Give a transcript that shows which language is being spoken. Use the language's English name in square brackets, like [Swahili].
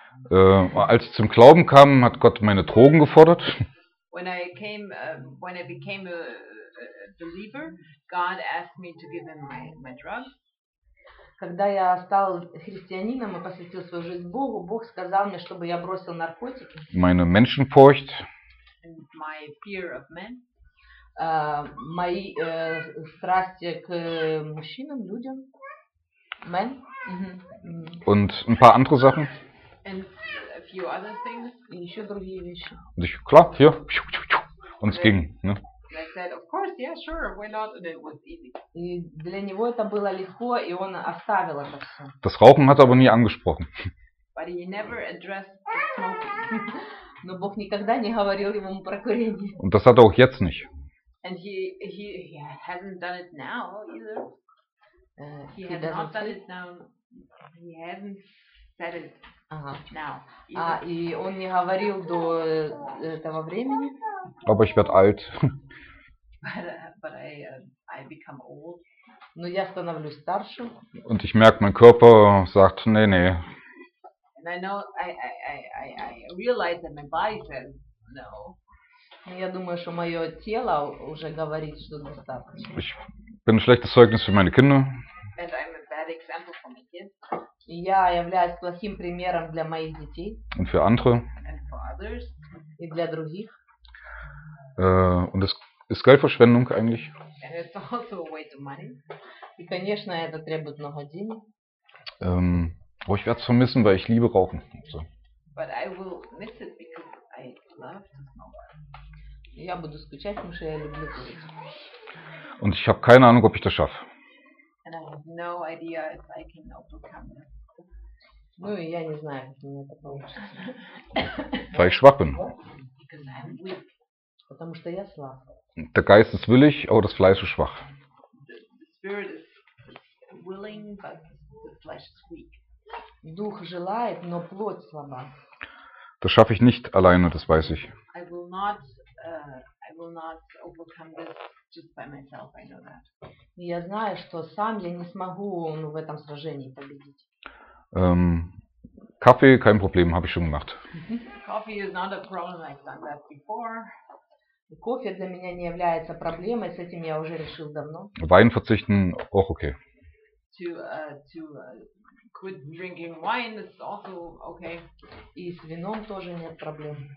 [German] Als ich zum Glauben kam, hat Gott meine Drogen gefordert. [English] When I came, when I became a believer, God asked me to give him my drugs. [Russian] Когда я стал христианином и посвятил свою жизнь Богу, Бог сказал мне, чтобы я бросил наркотики. [German] Meine Menschenfurcht. [English] And my fear of men. [Russian] Мои страсти к мужчинам, людям. [English] Men. [German] Und ein paar andere Sachen. [English] And a few other things. [Russian] И еще другие вещи. [German] Und ich, klar, ja. Und es ging. Ne? [English] I said, of course, yeah, sure, why not? And it was easy. [Russian] И для него это было легко, и он оставил это все. [German] Das Rauchen hat er aber nie angesprochen. [English] But he never addressed the smoking. [Russian] Но Бог никогда не говорил ему про курение. [German] Und das hat er auch jetzt nicht. [English] And he hasn't done it now either. He hasn't said it. [Russian] Ага. И он не говорил до этого времени. [German] Aber ich werd alt. [English] But I become old. [Russian] Но я становлюсь старше. [German] Und ich merk, mein Körper sagt nee. [English] And I know I realize that my body says no. [Russian] Но я думаю, что мое тело уже говорит, что достаточно. [German] Ich bin ein schlechtes Zeugnis für meine Kinder. [English] And I'm a bad example for my kids. [Russian] Я являюсь плохим примером для моих детей. [German] Und für andere. [English] And for others. [Russian] И для других. [German] Und es ist Geldverschwendung eigentlich. [English] And it's also a waste of money. [Russian] И, конечно, это требует много денег. [German] Ich werde es vermissen, weil ich liebe Rauchen. So. [English] But I will miss it because I love to smoke. [Russian] Я буду скучать, потому что я люблю курить. [German] Und ich habe keine Ahnung, ob ich das schaffe. [English] And I have no idea if I can overcome it. [Russian] Ну, я не знаю, как мне это получится. [German] Weil ich schwach bin. [English] Because I'm weak. [Russian] Потому что я слаб. [German] Der Geist ist willig, aber das Fleisch ist schwach. [English] The spirit is willing, but the flesh is weak. [Russian] Дух желает, но плоть слаба. [German] Das schaffe ich nicht alleine, das weiß ich. [English] I will not overcome this. Just by myself, I know that. [Russian] Я знаю, что сам я не смогу в этом сражении победить. [German] Кофе, kein Problem, habe ich schon gemacht. [English] Coffee is not a problem, I've done that before. [Russian] Кофе для меня не является проблемой, с этим я уже решил давно. [German] Wein verzichten, auch okay. [English] To quit drinking wine is also okay. [Russian] И с вином тоже нет проблем.